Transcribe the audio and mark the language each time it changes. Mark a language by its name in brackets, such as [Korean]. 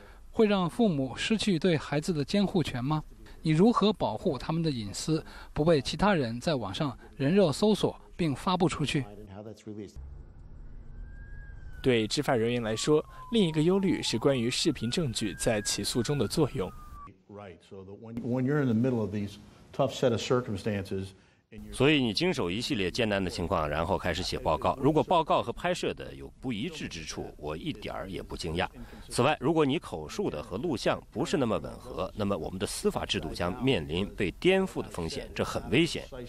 [Chinese] 会让父母失去对孩子的监护权吗？你如何保护他们的隐私不被其他人在网上人肉搜索并发布出去？ [English] how that's released. [Chinese] 对执法人员来说，另一个忧虑是关于视频证据在起诉中的作用。 [English] Right. So that when you're in the middle of these tough set of circumstances. [Chinese] 所以你经手一系列艰难的情况，然后开始写报告。如果报告和拍摄的有不一致之处，我一点儿也不惊讶。此外，如果你口述的和录像不是那么吻合，那么我们的司法制度将面临被颠覆的风险，这很危险。